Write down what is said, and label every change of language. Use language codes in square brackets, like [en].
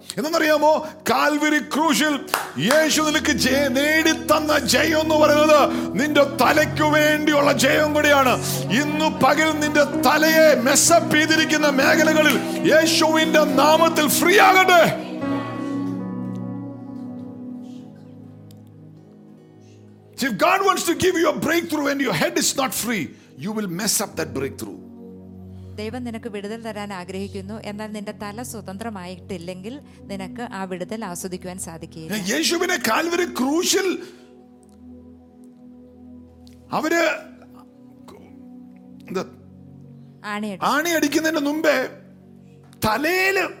[ml] എന്നറിയാമോ, കാൽവരി ക്രൂശിൽ യേശു നിനക്ക് നേടി തന്ന ജയം എന്ന് പറയുന്നത് നിന്റെ തലയ്ക്ക് വേണ്ടിയുള്ള ജയം കൂടിയാണ്. ഇന്ന് പകൽ നിന്റെ തലയെ മെസ്സപ്പ് ചെയ്തിരിക്കുന്ന മേഖലകളിൽ യേശുവിന്റെ നാമത്തിൽ ഫ്രീ ആകട്ടെ. [en] If God wants to give you a breakthrough and your head is not free, you will mess up that breakthrough. [ml] ദൈവം നിനക്ക് വിടുതൽ തരാൻ ആഗ്രഹിക്കുന്നു, എന്നാൽ നിന്റെ തല സ്വതന്ത്രമായിട്ടില്ലെങ്കിൽ നിനക്ക് ആ വിടുതൽ ആസ്വദിക്കുവാൻ സാധിക്കില്ല. യേശുവിനെ കാൽവരി ക്രൂശിൽ അവര് ആണിയടിക്കുന്നതിന് മുമ്പേ തലയിൽ